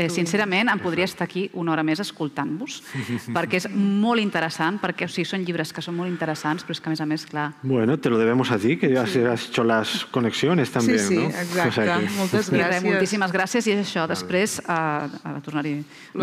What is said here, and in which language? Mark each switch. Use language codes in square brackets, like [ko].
[ca] Sincerament, em podria estar aquí una hora més escoltant-vos, perquè és molt interessant, perquè o sigui, són llibres que són molt interessants, però és que a més, clar... [es] Bueno, te lo debemos a ti, que ya sí. Has hecho las conexiones también, sí, ¿no? [ca] Sí, exacte. [es] O sea, que... [ca] Moltes gràcies. Moltíssimes gràcies, i és això, després tornaré a